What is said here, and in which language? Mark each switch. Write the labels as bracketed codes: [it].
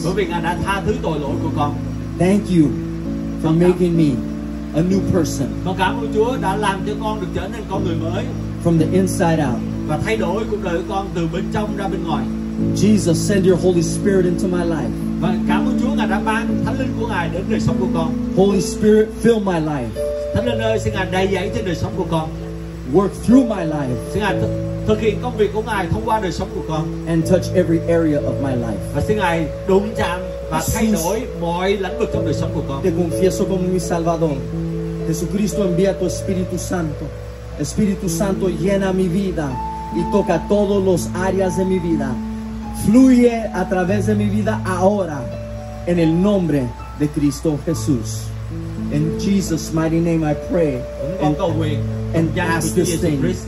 [en] Thank you for making me a new person from the inside out. [vi] Và thay đổi cuộc đời của con từ bên trong ra bên ngoài. [en] Jesus, send your Holy Spirit into my life. [vi] Và cảm ơn Chúa ngài đã ban Thánh Linh của ngài đến đời sống của con. [en] Holy Spirit, fill my life. [vi] Thánh Linh ơi, xin ngài đầy dẫy trên đời sống của con. [en] work through my life. [vi] Xin Ngài thực hiện công việc của Ngài thông qua đời sống của con. [en] And touch every area of my life. [vi] Và xin Ngài đụng chạm và thay đổi mọi lĩnh vực trong đời sống của con. [es] Te confieso como mi Salvador. Jesucristo envía tu Espíritu Santo. Espíritu Santo llena mi vida y toca todos los áreas de mi vida. Fluye a través de mi vida ahora en el nombre de Cristo Jesús. [en] In Jesus' mighty name I pray and ask this thing.